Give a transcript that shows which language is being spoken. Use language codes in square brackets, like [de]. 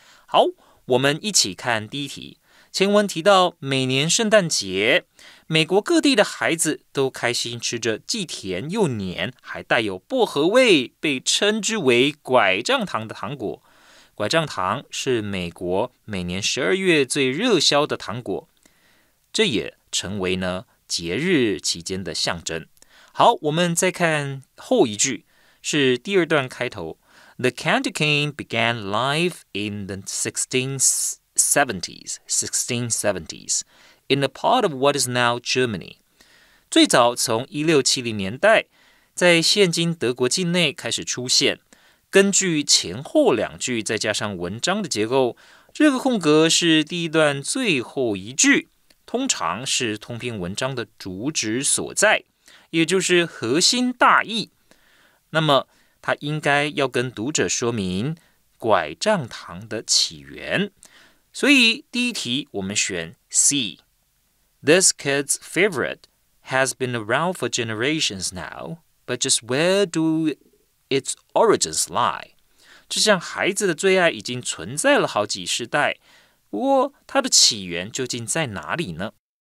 [zh] 好，我们一起看第一题。前文提到，每年圣诞节，美国各地的孩子都开心吃着既甜又黏，还带有薄荷味，被称之为拐杖糖的糖果。拐杖糖是美国每年12月最热销的糖果，这也成为呢节日期间的象征。好，我们再看后一句，是第二段开头。 [en] The candy cane began life in the 1670s in a part of what is now Germany. [zh] 最早从1670年代在现今德国境内开始出现。根据前后两句再加上文章的结构，这个空格是第一段最后一句，通常是通篇文章的主旨所在，也就是核心大意。那么它应该要跟读者说明拐杖糖的起源，所以第一题我们选 C。 [en] This kid's favorite has been around for generations now, but just where doIts origins lie. [zh] 这项孩子的最爱已经存在了好几世代，不过它的起源究竟在哪里呢？